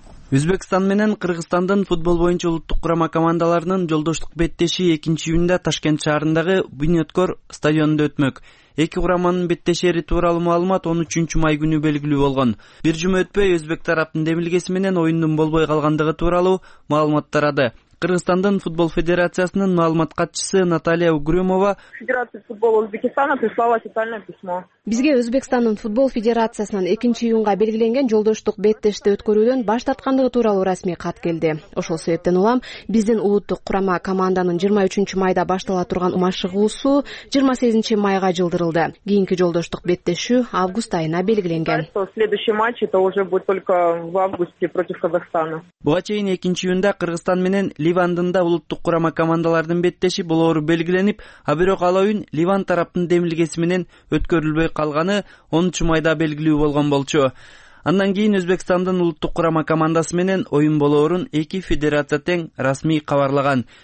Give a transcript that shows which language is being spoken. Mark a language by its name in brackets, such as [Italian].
[Kyrgyz] Өзбекстан менен Кыргызстандын футбол боюнча улуттук курама командаларынын жолдоштук беттеши 2-июнда Ташкент шаарындагы Бүнөткөр стадионунда өтмөк. Эки курамынын беттешери тууралуу маалымат 13-май күнү белгилүү болгон. Бир жума өтпөй өзбек тараптын демилгеси менен оюндун болбой калгандыгы тууралуу маалымат тарады. Кыргызстандын футбол федерациясынын маалымат катчысы Наталья Угрюмова: [Russian] Федерация футбола Узбекистана прислала официальное письмо. [Kyrgyz] Бизге Өзбекстандын футбол федерациясынан 2-июнга белгиленген жолдоштук беттешти өткөрүүдөн баш тарткандыгы тууралуу расмий кат келди. Ошол себептен улам биздин улуттук курама команданын 23-майда баштала турган умашыгуусу 28-майга жылдырылды. Кийинки жолдоштук беттешүү август айына белгиленген. [Russian] Следующий матч это уже будет только в августе против Казахстана. [Kyrgyz] Буга чейин 2-июнда Кыргызстан менен Ливандында улуттук курама командалардын беттеши болоору белгиленип, а бирок ал оюн Ливан тараптын демилгеси менен өткөрүлдү. Калганы 13-майда белгилүү болгон болчу. Андан кийин Өзбекстандын улуттук курама командасы менен оюн болоорун эки федерация тең расмий кабарлаган.